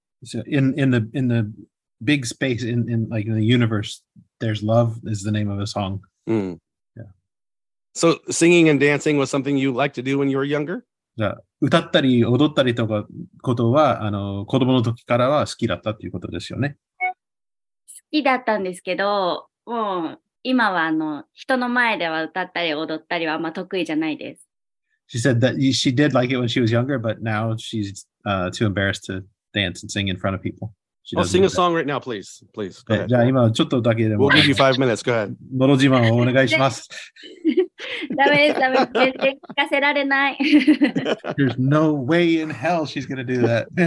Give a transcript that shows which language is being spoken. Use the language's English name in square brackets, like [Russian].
[English] So in the big space in like in the universe, there's love is the name of a song. Mm. Yeah. So singing and dancing was something you liked to do when you were younger? [Japanese] じゃあ歌ったり踊ったりとかことはあの子供の時からは好きだったっていうことですよね。好きだったんですけど、もう今はあの人の前では歌ったり踊ったりはあんま得意じゃないです。 [English] She said that she did like it when she was younger, but now she's too embarrassed to dance and sing in front of people. She doesn't sing a song right now, please. Please, go ahead. [Japanese] じゃあ今ちょっとだけでも。 [English] We'll give you 5 minutes, go ahead. [Japanese] のど自慢をお願いします。ダメです、ダメです。絶対聞かせられない。 [English] There's no way in hell she's gonna do that.